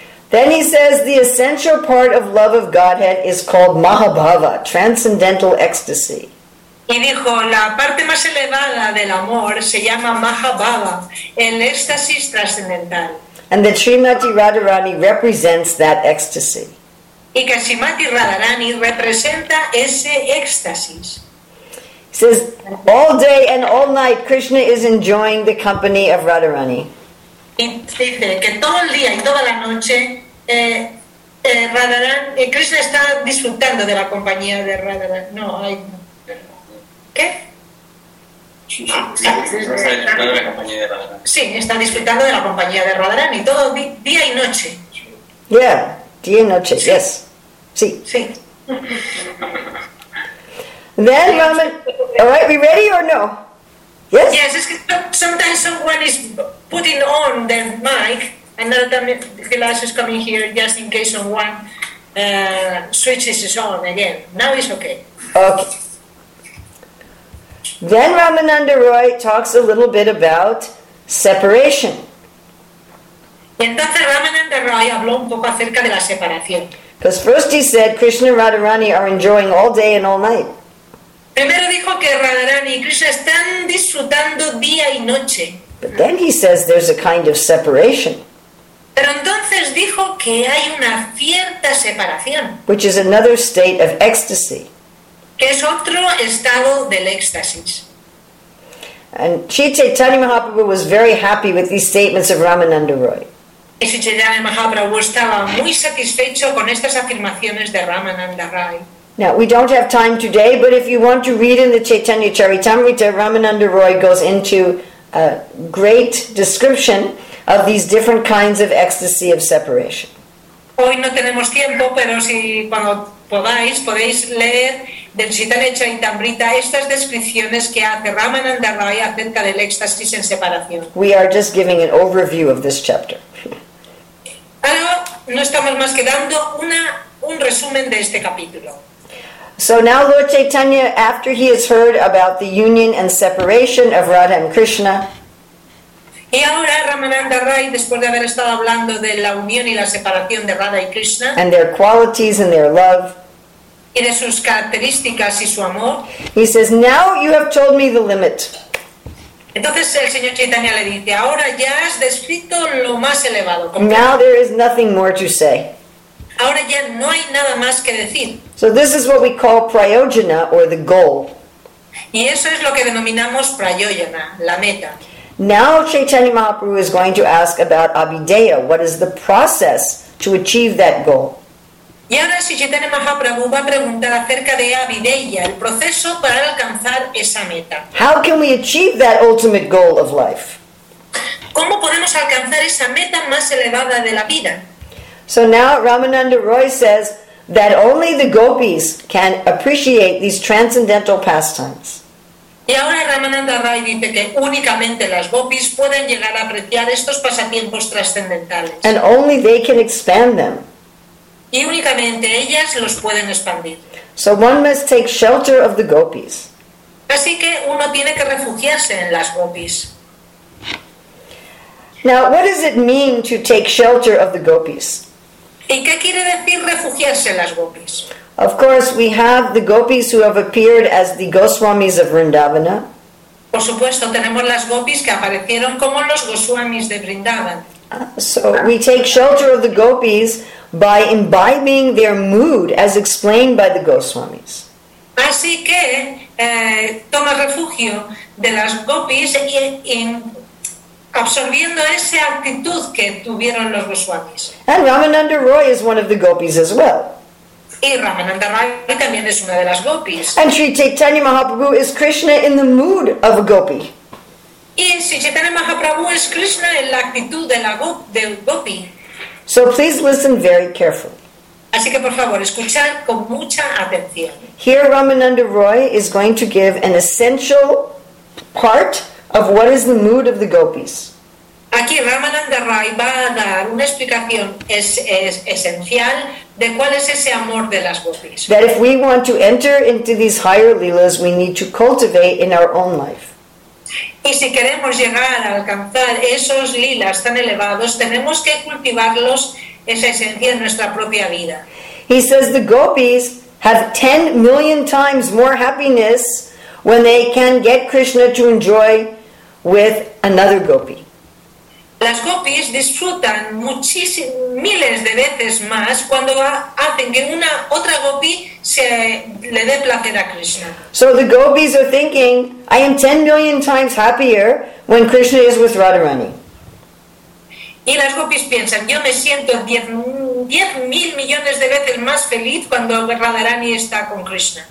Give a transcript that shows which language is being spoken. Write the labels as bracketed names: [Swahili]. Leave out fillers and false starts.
[English] Then he says the essential part of love of Godhead is called Mahabhava, transcendental ecstasy. [Spanish] Y dijo, la parte más elevada del amor se llama Mahabhava, el éxtasis trascendental. [English] And that Srimati Radharani represents that ecstasy. [Spanish] Y que Srimati Radharani representa ese éxtasis. [English] He says, all day and all night Krishna is enjoying the company of Radharani. [Spanish] Y dice que todo el día y toda la noche Krishna está disfrutando de la compañía de Radharani. No, hay... ¿Qué? Sí, está disfrutando de la compañía de Radharani todo día y noche. [English] Yeah, [Spanish] día y noche, sí. [English] Yes. [Spanish] Sí. Sí. [English] Then Raman, all right, we ready or no? Yes. Yes, [Spanish] es que [English] sometimes someone is putting on the mic, and another time Gilas is coming here just in case someone switches it on again. Now it's okay. Okay. Then Ramananda Roy talks a little bit about separation. [Spanish] Entonces Ramananda Roy habló un poco acerca de la separación. [English] Because first he said Krishna and Radharani are enjoying all day and all night. [Spanish] Primero dijo que Radharani y Krishna están disfrutando día y noche. [English] But then he says there's a kind of separation. [Spanish] Pero entonces dijo que hay una cierta separación, [English] which is another state of ecstasy, [Spanish] que es otro estado del éxtasis. [English] And Sri Chaitanya Mahaprabhu was very happy with these statements of Ramananda Roy. [Spanish] Y Sri Chaitanya Mahaprabhu estaba muy satisfecho con estas afirmaciones de Ramananda Roy. [English] Now, we don't have time today, but if you want to read in the Chaitanya Charitamrita, Ramananda Roy goes into a great description of these different kinds of ecstasy of separation. [Spanish] Hoy no tenemos tiempo, pero si cuando podáis, podéis leer del Chaitanya Charitamrita estas descripciones que hace Ramananda Roy acerca del éxtasis en separación. [English] We are just giving an overview of this chapter. [Spanish] Ahora no estamos más que dando un resumen de este capítulo. [English] So now Lord Chaitanya, after he has heard about the union and separation of Radha and Krishna, [Spanish] y ahora Ramananda Roy, después de haber estado hablando de la unión y la separación de Radha y Krishna, [English] and their qualities and their love, [Spanish] y de sus características y su amor, [English] he says, now you have told me the limit. [Spanish] Entonces el señor Chaitanya le dice, ahora ya has descrito lo más elevado. [English] Now there is nothing more to say. [Spanish] Ahora ya no hay nada más que decir. [English] So this is what we call prayojana, or the goal. [Spanish] Y eso es lo que denominamos prayojana, la meta. [English] Now Chaitanya Mahaprabhu is going to ask about abhideya. What is the process to achieve that goal? [Spanish] Y ahora si Chaitanya Mahaprabhu va a preguntar acerca de abhideya, el proceso para alcanzar esa meta. [English] How can we achieve that ultimate goal of life? [Spanish] ¿Cómo podemos alcanzar esa meta más elevada de la vida? [English] So now Ramananda Roy says that only the gopis can appreciate these transcendental pastimes. [Spanish] Y ahora Ramananda Roy dice que únicamente las gopis pueden llegar a apreciar estos pasatiempos trascendentales. [English] And only they can expand them. [Spanish] Y únicamente ellas los pueden expandir. [English] So one must take shelter of the gopis. [Spanish] Así que uno tiene que refugiarse en las gopis. [English] Now, what does it mean to take shelter of the gopis? [Spanish] ¿Y qué quiere decir refugiarse en las gopis? [English] Of course, we have the gopis who have appeared as the Goswamis of Vrindavana. [Spanish] Por supuesto, tenemos las gopis que aparecieron como los Goswamis de Vrindavan. [English] So we take shelter of the gopis by imbibing their mood, as explained by the Goswamis. [Spanish] Así que toma refugio de las gopis en absorbiendo esa actitud que tuvieron los Goswamis. [English] And Ramananda Roy is one of the gopis as well. [Spanish] Y Ramananda Roy también es una de las gopis. [English] And Sri Chaitanya Mahaprabhu is Krishna in the mood of a gopi. [Spanish] Y Sri Chaitanya Mahaprabhu es Krishna en la actitud de la gopi. [English] So please listen very carefully. [Spanish] Así que por favor, escuchad con mucha atención. [English] Here Ramananda Roy is going to give an essential part of what is the mood of the gopis. [Spanish] Aquí Ramananda Roy va a dar una explicación esencial de cuál es ese amor de las gopis. [English] That if we want to enter into these higher leelas, we need to cultivate in our own life. [Spanish] Y si queremos llegar a alcanzar esos leelas tan elevados, tenemos que cultivarlos, esa esencia, en nuestra propia vida. [English] He says the gopis have 10 million times more happiness when they can get Krishna to enjoy with another gopi. [Spanish] Las gopis disfrutan miles de veces más cuando hacen que una otra gopi se le dé placer a Krishna. [English] So the gopis are thinking, I am 10 million times happier when Krishna is with Radharani. [Spanish] Y las gopis piensan, yo me siento 10 mil millones de veces más feliz cuando Radharani está con Krishna.